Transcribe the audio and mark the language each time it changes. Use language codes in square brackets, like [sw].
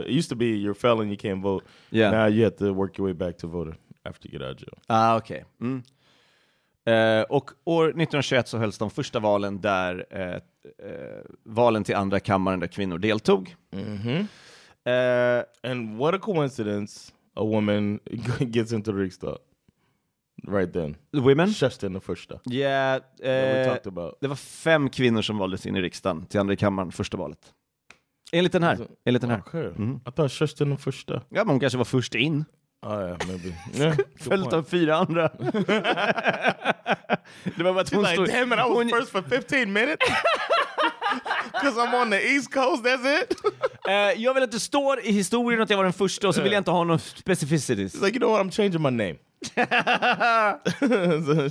[en] It used to be you're felon, you can't vote. Yeah. Now you have to work your way back to voting. After you get out of jail. Ah, okej. Okay. Mm. [sv] Och år 1921 så hölls de första valen där valen till andra kammaren där kvinnor deltog. [en] Mm-hmm. And what a coincidence a woman gets into the riksdag right then. Women? Just in the första. Yeah. That we talked about. [sv] Det var 5 kvinnor som valdes in i riksdagen till andra kammaren första valet. Enligt den här. [en] Okay. Mm-hmm. I thought just in the första. [sv] Ja, men hon kanske var först in. [en] Yeah, [sv] följt av 4 andra. Det var bara att hon [en] like, [sv] stod... [en] Damn it, I was first for 15 minutes. Because I'm on the East Coast, that's it. [sv] Jag vill att det står i historien att jag var den första och så vill jag inte ha någon specificities. [en] Like, you know what, I'm changing my name.